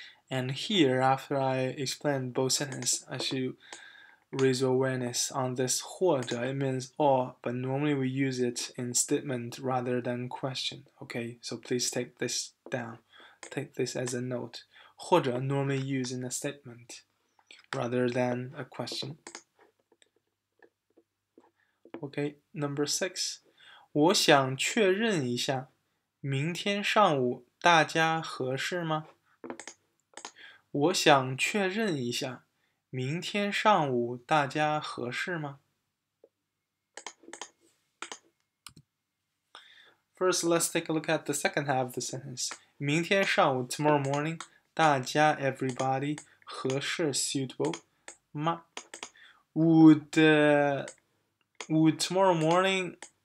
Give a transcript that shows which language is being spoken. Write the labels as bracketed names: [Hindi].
[English] And here, after I explain both sentences, I should raise awareness on this 或者 it means or, but normally we use it in statement rather than question. Okay, so please take this down. Take this as a note. 或者 normally used in a statement rather than a question. Okay, number six. [Chinese] 我想确认一下，明天上午大家合适吗？我想确认一下，明天上午大家合适吗？ [English] First, let's take a look at the second half of the sentence. [Chinese] 明天上午 [English] tomorrow morning, [Chinese] 大家 [English] everybody, [Chinese] 合适 [English] suitable, [Chinese] 吗？ [English] Would tomorrow morning...